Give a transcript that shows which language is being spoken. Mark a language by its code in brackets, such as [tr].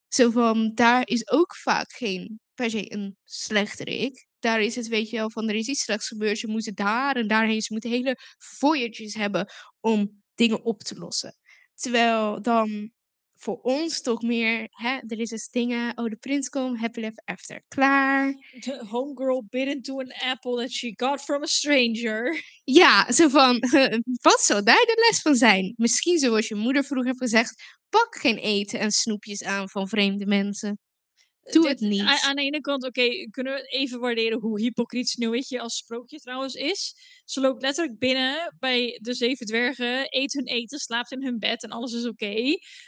[nl] Zo van, daar is ook vaak geen per se een slechterik. Daar is het, weet je wel, van er is iets slechts gebeurd. Ze moeten daar en daarheen. Ze moeten hele voyages hebben om dingen op te lossen. Terwijl dan voor ons toch meer, hè, er is eens dingen. Oh, de prins komt. [en] Happy life after. [nl] Klaar. [en] The homegirl bit into an apple that she got from a stranger. [nl] Ja, zo van, wat zou daar de les van zijn? Misschien zoals je moeder vroeger heeft gezegd, pak geen eten en snoepjes aan van vreemde mensen. Doe het niet. Aan de ene kant, oké, kunnen we even waarderen hoe hypocriet Sneeuwwitje als sprookje trouwens is. Ze loopt letterlijk binnen bij de zeven dwergen, eet hun eten, slaapt in hun bed en alles is oké.